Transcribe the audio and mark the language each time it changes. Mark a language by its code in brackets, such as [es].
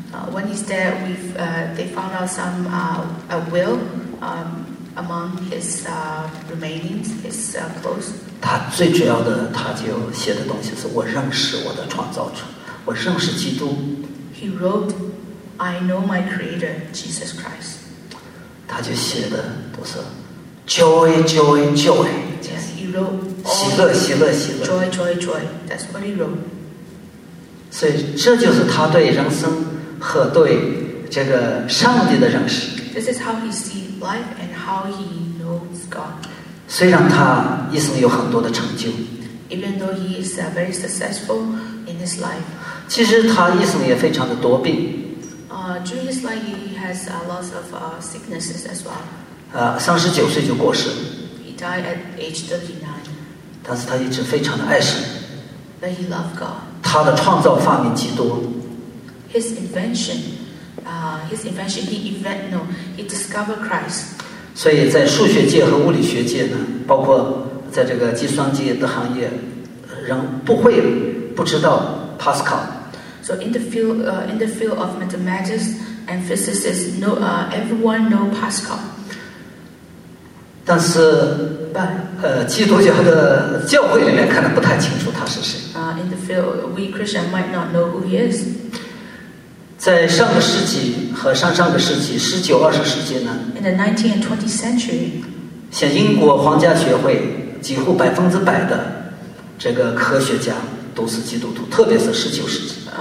[en] When he's dead, they found out some a will among his remains, his clothes. [zh] 他最主要的，他就写的东西是：我认识我的创造者。我认识基督。 [en] He wrote, "I know my Creator, Jesus Christ." [zh] 他就写的都是 [en] joy, joy, joy. Yes, he wrote. [zh] 喜乐，喜乐，喜乐。 [en] Joy, joy, joy. That's what he wrote. [zh] 所以这就是他对人生和对这个上帝的认识。 [en] This is how he sees life and how he knows God. [zh] 虽然他一生有很多的成就。 [en] Even though he is very successful. In his life. [zh] 其实他一生也非常的多病。 [en] During his life, he has lots of sicknesses as well. [zh] 39岁就过世了。 [en] He died at age 39. [zh] 但是他一直非常的爱神。 [en] But he loved God. [zh] 他的创造发明极多。 [en] He discovered Christ. [zh] 所以在数学界和物理学界呢，包括在这个计算机的行业，人不会。不知道 Pascal. [en] So in the field of mathematics and physicists, no, everyone know Pascal. [zh] 但是，基督教的教会里面可能不太清楚他是谁。 [en] In the field, we Christian might not know who he is. [zh] 在上个世纪和上上个世纪，十九、二十世纪呢 [en] ？In the 19th and 20th century. [zh] 像英国皇家学会，几乎百分之百的这个科学家。都是基督徒，特别是十九世纪。